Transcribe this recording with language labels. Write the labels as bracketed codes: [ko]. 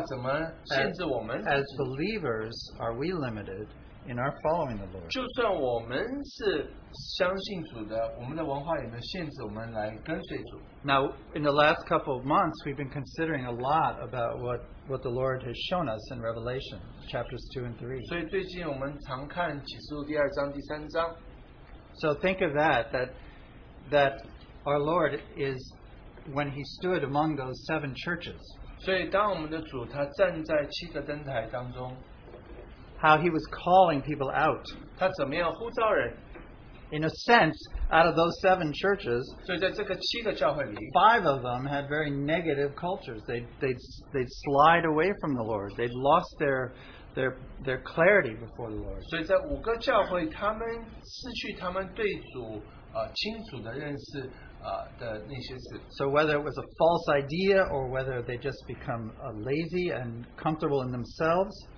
[en] As believers, are we limited in our following the Lord? [zh] 就算我们是相信主的，我们的文化也能限制我们来跟随主。 [en] Now, in the last couple of months, we've been considering a lot about what the Lord has shown us in Revelation, chapters 2 and 3. [zh] 所以最近我们常看启示录第二章、第三章。 [en] So think of that our Lord is, when he stood among those seven churches, [zh] 所以当我们的主他站在七个灯台当中, [en] how he was calling people out. [zh] 他怎么样呼召人? [en] In a sense, out of those seven churches, [zh] 所以在这个七个教会里, [en] five of them had very negative cultures. They'd slide away from the Lord. They'd lost their clarity before the Lord. [zh] 所以在五个教会, 他们失去他们对主清楚的认识的那些事。 [en] So whether it was a false idea or whether they just become lazy and comfortable in themselves,